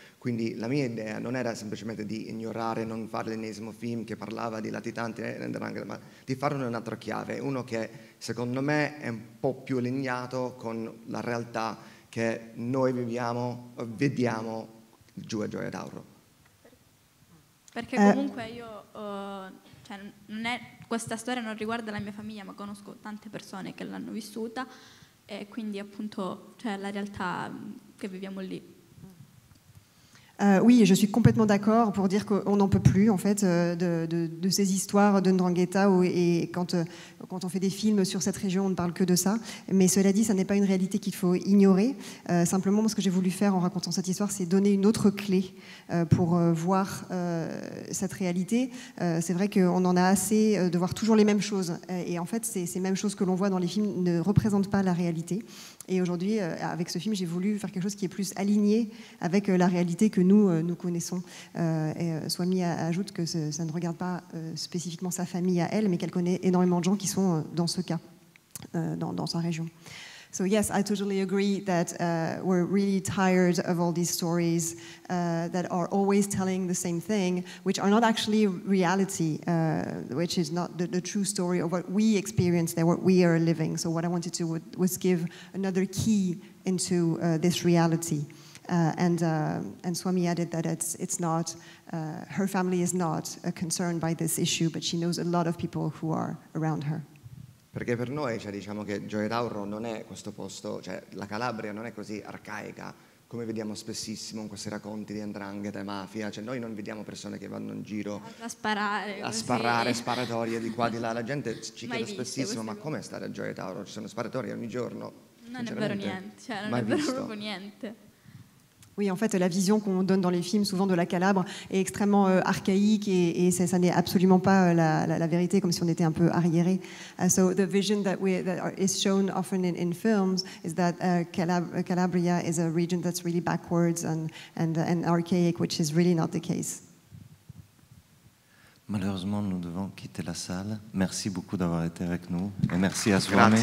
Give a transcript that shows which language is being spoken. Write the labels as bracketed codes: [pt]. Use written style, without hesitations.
[it] Quindi la mia idea non era semplicemente di ignorare, non fare l'ennesimo film che parlava di latitanti, ma di fare un'altra chiave, uno che secondo me è un po' più allineato con la realtà che noi viviamo, vediamo giù a Gioia Tauro. Perché comunque io, cioè, non è, questa storia non riguarda la mia famiglia, ma conosco tante persone che l'hanno vissuta, e quindi appunto c'è, cioè, la realtà che viviamo lì. [fr] Oui, je suis complètement d'accord pour dire qu'on n'en peut plus, en fait, de ces histoires de 'Ndrangheta, et quand on fait des films sur cette région, on ne parle que de ça. Mais cela dit, ça n'est pas une réalité qu'il faut ignorer. Simplement, ce que j'ai voulu faire en racontant cette histoire, c'est donner une autre clé pour voir cette réalité. C'est vrai qu'on en a assez de voir toujours les mêmes choses. Et en fait, ces mêmes choses que l'on voit dans les films ne représentent pas la réalité. Et aujourd'hui, avec ce film, j'ai voulu faire quelque chose qui est plus aligné avec la réalité que nous connaissons. Et Swami ajoute que ça ne regarde pas spécifiquement sa famille à elle, mais qu'elle connaît énormément de gens qui sont dans ce cas, dans sa région. [en] So yes, I totally agree that we're really tired of all these stories that are always telling the same thing, which are not actually reality, which is not the true story of what we experience there, what we are living. So what I wanted to do was give another key into this reality. And Swami added that it's not her family is not concerned by this issue, but she knows a lot of people who are around her. [it] Perché per noi, cioè, diciamo che Gioia Tauro non è questo posto, cioè la Calabria non è così arcaica come vediamo spessissimo in questi racconti di 'Ndrangheta e mafia. Cioè, noi non vediamo persone che vanno in giro a sparare sparatorie di qua di là. La gente ci chiede spessissimo: ma com'è stare a Gioia Tauro? Ci sono sparatorie ogni giorno. Non è vero niente, cioè non è vero proprio niente. [fr] Oui, en fait, la vision qu'on donne dans les films, souvent de la Calabre, est extrêmement archaïque, et ça n'est absolument pas la vérité, comme si on était un peu arriéré. [en] So the vision that is shown often in films is that Calabria is a region that's really backwards and archaic, which is really not the case. [fr] Malheureusement, nous devons quitter la salle. Merci beaucoup d'avoir été avec nous, et merci à Swami,